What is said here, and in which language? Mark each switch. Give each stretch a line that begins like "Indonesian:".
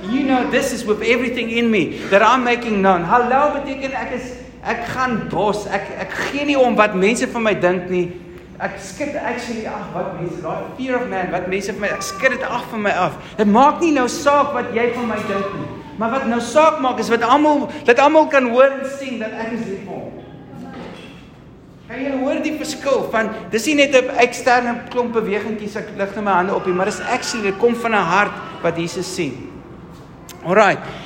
English: You know this is with everything in me that I'm making known.
Afrikaans: Hallo beteken ek gaan bos. Ek gee nie om wat mense van my dink nie. Ek skud actually af wat mense, daai
English: fear of man,
Afrikaans: wat mense vir my, ek skud dit af van my af. Dit maak nie nou saak wat jy van my dink nie. Maar wat nou saak maak is wat almal kan hoor en sien dat ek is lief vir hom. Kan jy hoor die verskil van dis nie net 'n eksterne klomp bewegingkies ek lig net my hande op nie, maar dis actually dit kom van 'n hart wat Jesus sien. Alright.